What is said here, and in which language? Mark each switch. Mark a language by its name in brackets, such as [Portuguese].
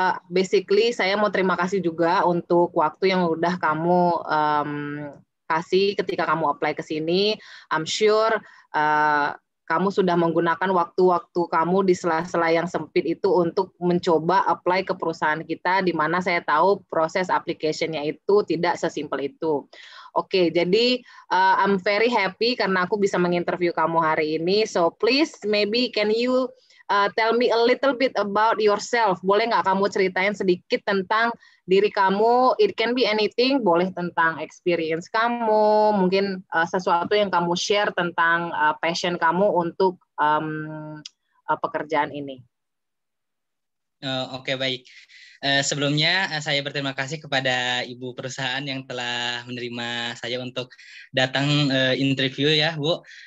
[Indonesian] Basically saya mau terima kasih juga untuk waktu yang udah kamu kasih ketika kamu apply ke sini. [English] I'm sure [Indonesian] kamu sudah menggunakan waktu-waktu kamu di sela-sela yang sempit itu untuk mencoba apply ke perusahaan kita, di mana saya tahu proses application-nya itu tidak sesimpel itu. Oke, jadi [English] I'm very happy [Indonesian] karena aku bisa menginterview kamu hari ini. [English] So please, maybe can you tell me a little bit about yourself. [Indonesian] Boleh nggak kamu ceritain sedikit tentang diri kamu? [English] It can be anything. [Indonesian] Boleh tentang experience kamu, mungkin sesuatu yang kamu share tentang passion kamu untuk pekerjaan ini. Oke, baik. Sebelumnya saya berterima kasih kepada ibu perusahaan yang telah menerima saya untuk datang interview ya, Bu.